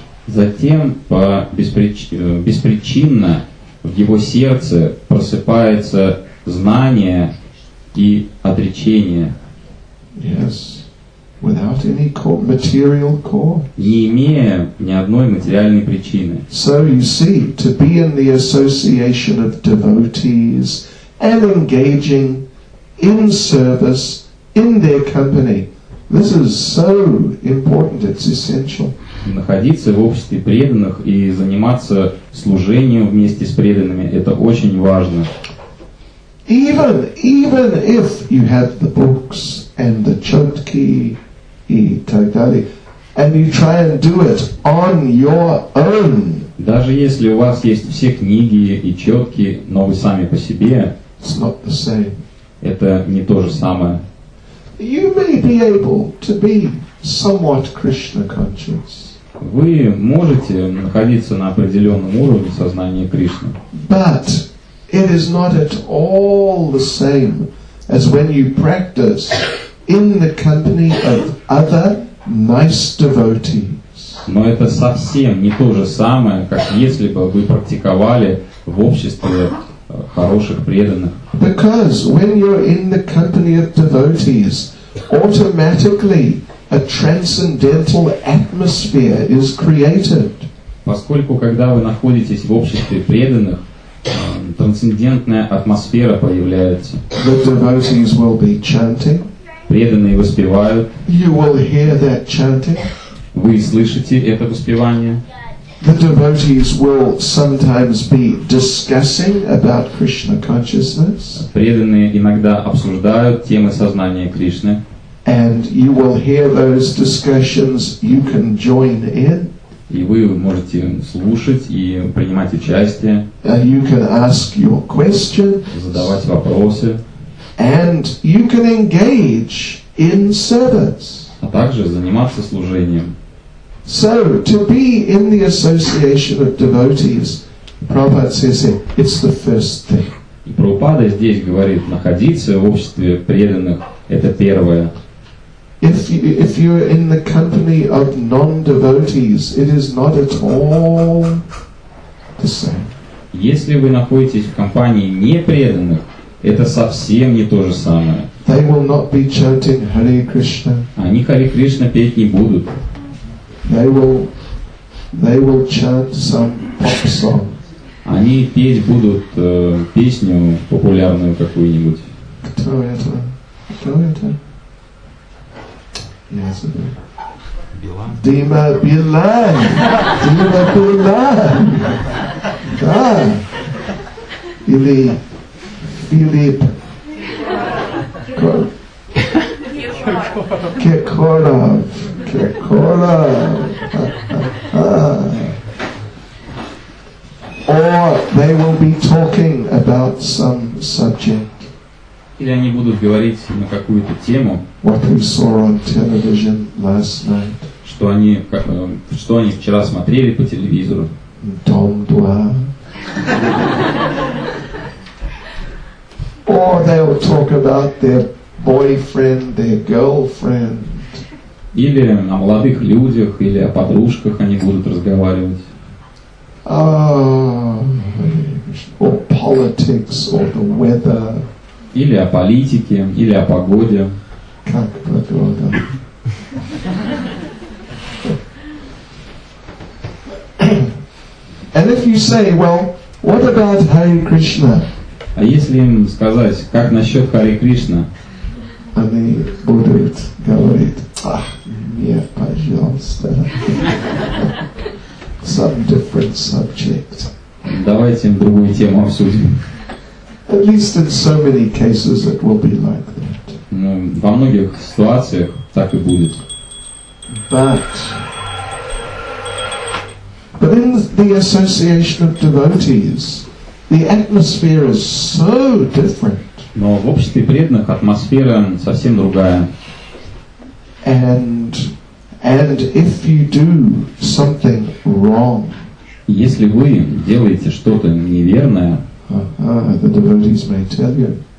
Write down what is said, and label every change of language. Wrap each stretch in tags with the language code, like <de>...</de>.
<ru>Затем беспричинно в его сердце просыпается знание и отречение.</ru> <en>Yes, without any material cause.</en> <ru>Не имея ни одной материальной причины.</ru> <en>So you see, to be in the association of devotees and engaging in service in their company. This is so important, it's essential.</en> <ru>Находиться в обществе преданных и заниматься служением вместе с преданными – это очень важно.</ru> <en>Even if you have the books and the chotki</en> <ru>и так далее,</ru> <en>and you try and do it on your own.</en> <ru>Даже если у вас есть все книги и чотки, но вы сами по себе,</ru> <en>it's not the same.</en> <ru>Это не то же самое.</ru> <en>You may be able to be somewhat Krishna conscious.</en> <ru>Вы можете находиться на определенном уровне сознания Кришны.</ru> <en>But it is not at all the same as when you practice in the company of other nice devotees.</en> <ru>Но это совсем не то же самое, как если бы вы практиковали в обществе хороших преданных.</ru> <en>Because when you're in the company of devotees, automatically a transcendental atmosphere is created.</en> <ru>Поскольку когда вы находитесь в обществе преданных, трансцендентная атмосфера появляется.</ru> <en>The devotees will be chanting.</en> <ru>Преданные воспевают.</ru> <en>You will hear that chanting.</en> <ru>Вы слышите это воспевание.</ru> <en>The devotees will sometimes be discussing about Krishna consciousness.</en> <ru>Преданные иногда обсуждают темы сознания Кришны.</ru> <en>And you will hear those discussions, you can join in.</en> <ru>И вы можете слушать и принимать участие.</ru> <en>And you can ask your questions.</en> <ru>Задавать вопросы.</ru> <en>And you can engage in service.</en> <ru>А также заниматься служением.</ru> <en>So, to be in the association of devotees, Prabhupada says it, it's the first thing.</en> <ru>И Прабхупада здесь говорит, находиться в обществе преданных, это первое.</ru> <en>If you are in the company of non-devotees, it is not at all the same.</en> <ru>Если вы находитесь в компании непреданных, это совсем не то же самое.</ru> <en>They will not be chanting Hare Krishna.</en> <ru>Они Hare Krishna петь не будут.</ru> <en>They will chant some pop song.</en> <ru>Они петь будут песню популярную какую-нибудь. Кто это? Кто это? Я забыл. Дима Билан. Дима Билан. Да. Или Филипп. Кекоров.</ru> <en>Or they will be talking about some subject.</en> <ru>Или они будут говорить на какую-то тему.</ru> <en>What we saw on television last night.</en> <ru>Что они вчера смотрели по телевизору. Дом 2.</ru> <en>Or they'll talk about their boyfriend, their girlfriend.</en> <ru>Или о молодых людях, или о подружках они будут разговаривать.</ru> <en>Or politics, or the weather.</en> <ru>Или о политике, или о погоде. Как погода.</ru> <en>And if you say, well, what about Hare Krishna?</en> <ru>А если им сказать, как насчет Харе Кришна? Они будут говорить, ах, нет, пожалуйста.</ru> <en>Some different subject.</en> <ru>Давайте им другую тему обсудим.</ru> <en>At least in so many cases it will be like that.</en> <ru>Ну, во многих ситуациях так и будет.</ru> <en>But in the association of devotees, the atmosphere is so different.</en> <ru>Но в обществе преданных атмосфера совсем другая.</ru> <en>And if you do something wrong,</en> <ru>если вы делаете что-то неверное,</ru> <en>the devotees may tell you.</en>